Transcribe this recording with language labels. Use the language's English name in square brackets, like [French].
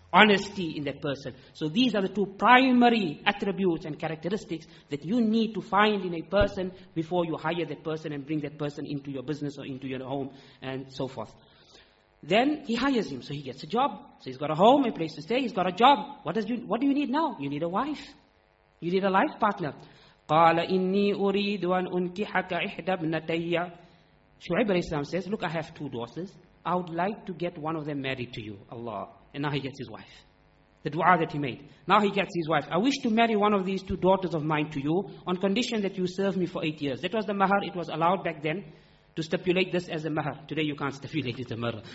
[English] Honesty in that person. So these are the two primary attributes and characteristics that you need to find in a person before you hire that person and bring that person into your business or into your home and so forth. Then he hires him, so he gets a job. So he's got a home, a place to stay, he's got a job. What do you need now? You need a wife. You need a life partner. [Arabic] قَالَ إِنِّي أُرِيدُ أَنْ أُنْكِحَكَ إِحْدَى بْنَتَيَّ. [English] Shu'ayb alayhi salam says, look, I have two daughters. I would like to get one of them married to you. Allah. And now he gets his wife. The dua that he made. Now he gets his wife. I wish to marry one of these two daughters of mine to you on condition that you serve me for 8 years. That was the mahar. It was allowed back then to stipulate this as a mahar. Today you can't stipulate it as a mahar.